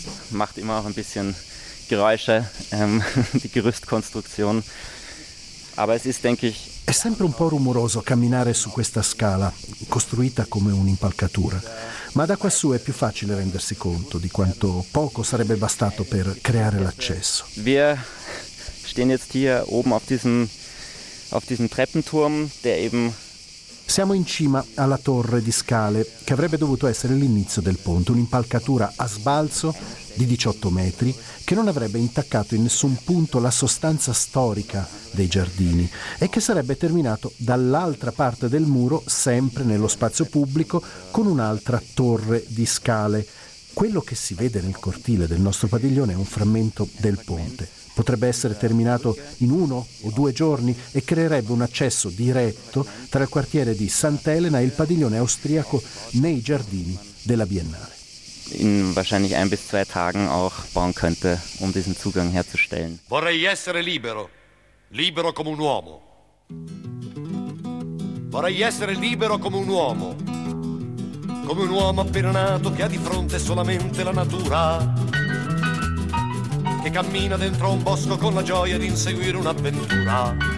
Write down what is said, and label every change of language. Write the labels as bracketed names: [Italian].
[German] Macht immer auch ein bisschen Geräusche, die Gerüstkonstruktion. Aber es ist, denke ich, [Italian] è sempre un po' rumoroso camminare su questa scala, costruita come un'impalcatura. Ma da quassù è più facile rendersi conto di quanto poco sarebbe bastato per creare l'accesso. [German] Wir stehen jetzt hier oben auf diesem Treppenturm, der eben. [Italian] Siamo in cima alla torre di scale, che avrebbe dovuto essere l'inizio del ponte, un'impalcatura a sbalzo di 18 metri, che non avrebbe intaccato in nessun punto la sostanza storica dei giardini e che sarebbe terminato dall'altra parte del muro, sempre nello spazio pubblico, con un'altra torre di scale. Quello che si vede nel cortile del nostro padiglione è un frammento del ponte. Potrebbe essere terminato in uno o due giorni e creerebbe un accesso diretto tra il quartiere di Sant'Elena e il padiglione austriaco nei giardini della Biennale. [German] In wahrscheinlich ein bis zwei Tagen auch bauen könnte, um diesen Zugang herzustellen. [Italian] Vorrei essere libero, libero come un uomo. Vorrei essere libero come un uomo. Come un uomo appena nato che ha di fronte solamente la natura. Che cammina dentro un bosco con la gioia di inseguire un'avventura.